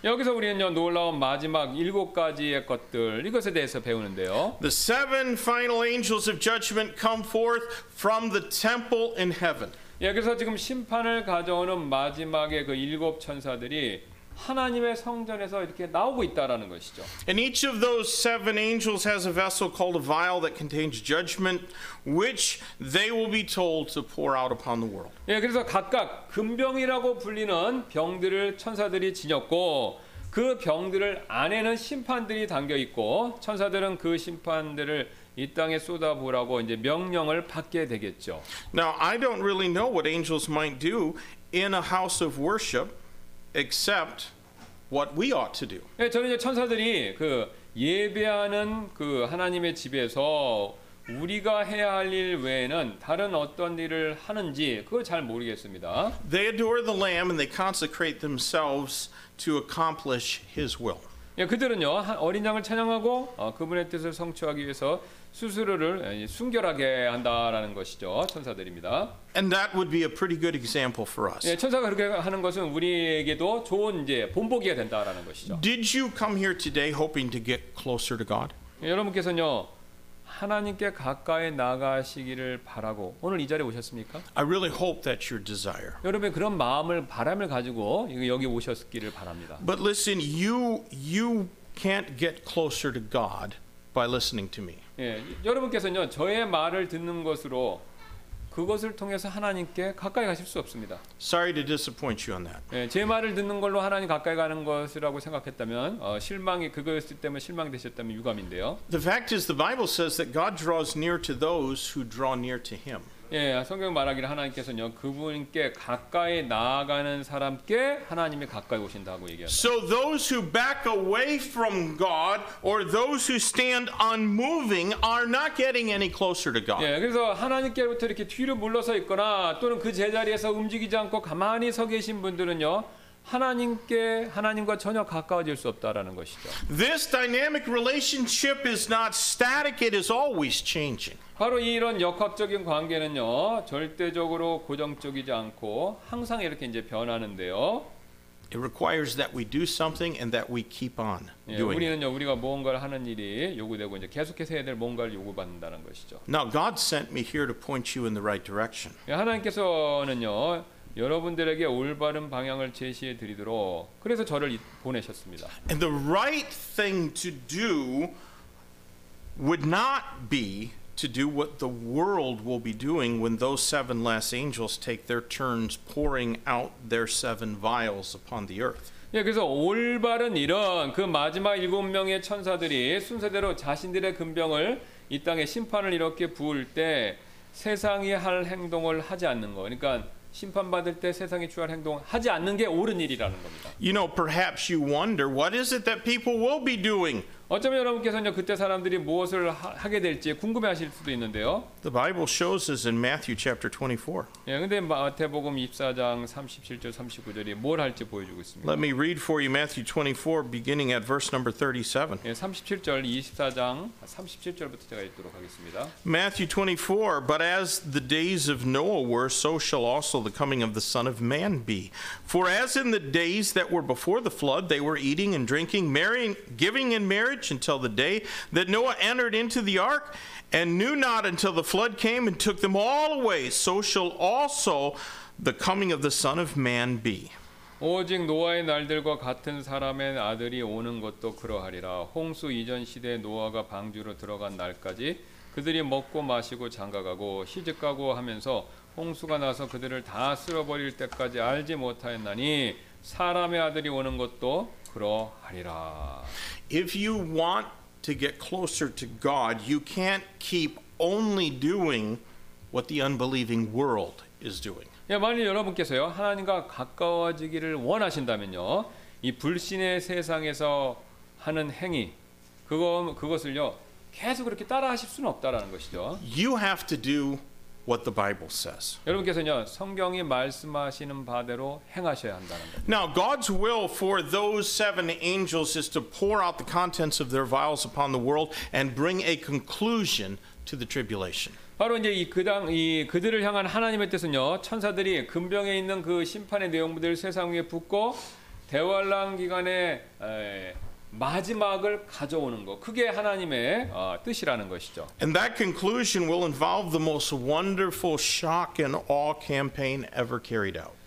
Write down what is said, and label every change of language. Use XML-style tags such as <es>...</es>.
<ko>여기서 우리는요 놀라운 마지막 일곱 가지의 것들 이것에 대해서 배우는데요.</ko> <en>The seven final angels of judgment come forth from the temple in heaven.</en> <ko>예, 그래서 지금 심판을 가져오는 마지막의 그 일곱 천사들이 하나님의 성전에서 이렇게 나오고 있다라는 것이죠.</ko> <en>And each of those seven angels has a vessel called a vial that contains judgment, which they will be told to pour out upon the world.</en> <ko>예, 그래서 각각 금병이라고 불리는 병들을 천사들이 지녔고 그 병들을 안에는 심판들이 담겨 있고 천사들은 그 심판들을 이 땅에 쏟아부으라고 이제 명령을 받게 되겠죠.</ko> <en>Now I don't really know what angels might do in a house of worship except what we ought to do.</en> <ko>예, 저는 이제 천사들이 그 예배하는 그 하나님의 집에서 우리가 해야 할 일 외에는 다른 어떤 일을 하는지 그걸 잘 모르겠습니다.</ko> <en>They adore the Lamb and they consecrate themselves to accomplish His will.</en> <ko>예, 그들은요 어린 양을 찬양하고 그분의 뜻을 성취하기 위해서 스스로를 순결하게 한다라는 것이죠 천사들입니다.</ko> <en>And that would be a pretty good example for us.</en> <ko>예, 천사가 그렇게 하는 것은 우리에게도 좋은 이제 본보기가 된다라는 것이죠.</ko> <en>Did you come here today hoping to get closer to God?</en> <ko>예, 여러분께서는요 하나님께 가까이 나가시기를 바라고 오늘 이 자리에 오셨습니까?</ko> <en>I really hope that's your desire.</en> <ko>여러분 그런 마음을 바람을 가지고 여기 오셨기를 바랍니다.</ko> <en>But listen, you can't get closer to God by listening to me.</en> <ko>예, 여러분께서는요 저의 말을 듣는 것으로 그것을 통해서 하나님께 가까이 가실 수 없습니다.</ko> <en>Sorry to disappoint you on that.</en> <ko>예, 제 말을 듣는 걸로 하나님 가까이 가는 것이라고 생각했다면 실망이 그것 때문에 실망되셨다면 유감인데요.</ko> <en>The fact is the Bible says that God draws near to those who draw near to him.</en> <ko>예, 성경 말하기를 하나님께서는요 그분께 가까이 나아가는 사람께 하나님이 가까이 오신다고 얘기합니다.</ko> <en>So those who back away from God or those who stand unmoving are not getting any closer to God.</en> <ko>예, 그래서 하나님께로부터 이렇게 뒤로 물러서 있거나 또는 그 제자리에서 움직이지 않고 가만히 서 계신 분들은요 하나님께 하나님과 전혀 가까워질 수 없다라는 것이죠.</ko> <en>This dynamic relationship is not static; it is always changing.</en> <ko>바로 이런 역학적인 관계는요 절대적으로 고정적이지 않고 항상 이렇게 이제 변하는데요.</ko> <en>It requires that we do something and that we keep on doing.</en> <ko>예, 우리는요 우리가 뭔가를 하는 일이 요구되고 이제 계속해서 해야 될 뭔가를 요구받는다는 것이죠.</ko> <en>Now God sent me here to point you in the right direction.</en> <ko>예, 하나님께서는요 여러분들에게 올바른 방향을 제시해 드리도록 그래서 저를 보내셨습니다.</ko> <en>And the right thing to do would not be to do what the world will be doing when those seven last angels take their turns pouring out their seven vials upon the earth.</en> <ko>예, 그래서 올바른 일은 그 마지막 일곱 명의 천사들이 순서대로 자신들의 금병을 이 땅에 심판을 이렇게 부을 때 세상이 할 행동을 하지 않는 거. 그러니까 심판받을 때 세상이 취할 행동 하지 않는 게 옳은 일이라는 겁니다.</ko> <en>You know, perhaps you wonder what is it that people will be doing.</en> <ko>어쩌면 여러분께서는 그때 사람들이 무엇을 하게 될지 궁금해하실 수도 있는데요.</ko> <en>The Bible shows us in Matthew chapter 24.</en> <ko>예, 근데 마태복음 24장 37절 39절이 뭘 할지 보여주고 있습니다.</ko> <en>Let me read for you Matthew 24 beginning at verse number 37.</en> <ko>예, 37절 24장 37절부터 제가 읽도록 하겠습니다.</ko> <en>Matthew 24, but as the days of Noah were, so shall also the coming of the Son of Man be. For as in the days that were before the flood, they were eating and drinking, marrying, giving in marriage, until the day that Noah entered into the ark and knew not until the flood came and took them all away, so shall also the coming of the Son of Man be.</en> <ko>오직 노아의 날들과 같은 사람의 아들이 오는 것도 그러하리라. 홍수 이전 시대에 노아가 방주로 들어간 날까지 그들이 먹고 마시고 장가가고 시집가고 하면서 홍수가 나서 그들을 다 쓸어버릴 때까지 알지 못하였나니 사람의 아들이 오는 것도 그러하리라.</ko> <en>If you want to get closer to God, you can't keep only doing what the unbelieving world is doing.</en> <ko>예, 만일 여러분께서요 하나님과 가까워지기를 원하신다면요 이 불신의 세상에서 하는 행위 그것을요 계속 그렇게 따라하실 수는 없다라는 것이죠.</ko> <en>You have to do what the Bible says.</en> <ko>여러분께서는요 성경이 말씀하시는 바대로 행하셔야 한다는 겁니다.</ko> <en>Now God's will for those seven angels is to pour out the contents of their vials upon the world and bring a conclusion to the tribulation.</en> <ko>바로 이제 그들을 향한 하나님의 뜻은요 천사들이 금병에 있는 그 심판의 내용들을 세상 위에 붓고 대환란 기간에 마지막을 가져오는 것, 그게 하나님의 뜻이라는 것이죠.</ko> <en>And that conclusion will involve the most wonderful shock and awe campaign ever carried out.</en>